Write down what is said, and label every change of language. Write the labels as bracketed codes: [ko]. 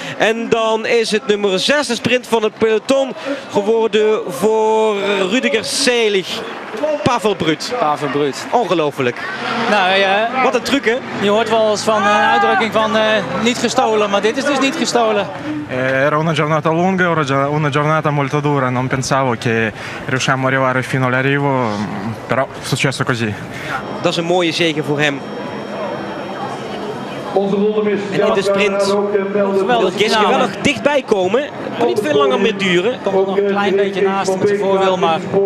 [nl] En dan is het nummer 6, de sprint van het peloton, geworden voor Rüdiger Selig. Pavel Broet. Ongelooflijk. Nou, wat een truc, hè? Je hoort wel eens van een uitdrukking van niet gestolen, maar dit is dus niet gestolen. [it] Era una giornata lunga, una giornata molto dura. Non pensavo che riusciamo a arrivare fino all'arrivo, però è successo così. [nl] Dat is een mooie zegen voor hem. En in de sprint wil Geske wel nog dichtbij komen. Kan niet veel langer meer duren. Komt nog een klein beetje naast met de voorwiel, maar.